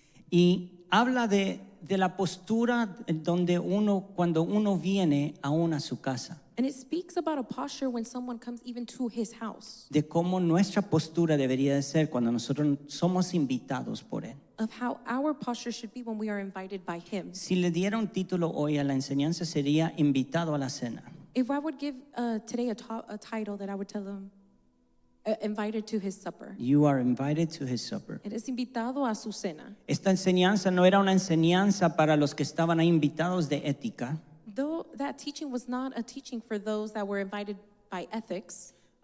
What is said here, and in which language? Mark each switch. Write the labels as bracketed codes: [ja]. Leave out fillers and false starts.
[es] Y habla de la postura donde uno, cuando uno viene aún a su casa. [en] And it speaks about a posture when someone comes even to his house. [es] De cómo nuestra postura debería de ser cuando nosotros somos invitados por él. [en] Of how our posture should be when we are invited by him. [es] Si le diera un título hoy a la enseñanza sería invitado a la cena. [en] If I would give today a title that I would tell them, invited to his supper. You are invited to his supper. [es] Eres invitado a su cena. Esta enseñanza no era una enseñanza para los que estaban ahí invitados de ética. [en] Though that teaching was not a teaching for those that were invited by ethics.